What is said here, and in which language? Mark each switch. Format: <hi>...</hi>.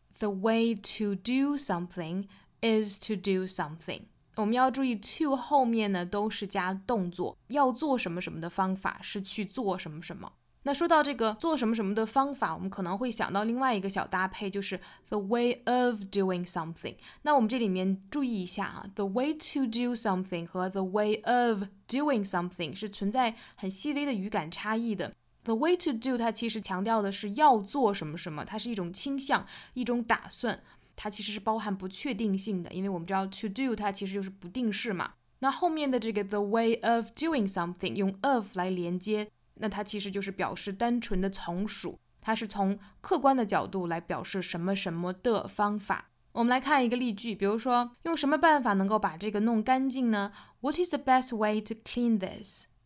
<en>The way to do something is to do something.</en> <zh>我们要注意 to 后面呢都是加动作，要做什么什么的方法是去做什么什么。那说到这个做什么什么的方法，我们可能会想到另外一个小搭配，就是</zh> <en>the way of doing something。</en> <zh>那我们这里面注意一下啊，</zh> <en>the way to do something</en> <zh>和</zh> <en>the way of doing something</en> <zh>是存在很细微的语感差异的。</zh> <en>the way to do</en> <zh>它其实强调的是要做什么什么，它是一种倾向，一种打算，它其实是包含不确定性的，因为我们知道</zh> <en>to do</en> <zh>它其实就是不定式嘛。那后面的这个</zh> <en>the way of doing something</en> <zh>用 of 来连接，那它其实就是表示单纯的从属，它是从客观的角度来表示什么什么的方法。我们来看一个例句，比如说用什么办法能够把这个弄干净呢？</zh> <en>What is the best way to clean this?</en>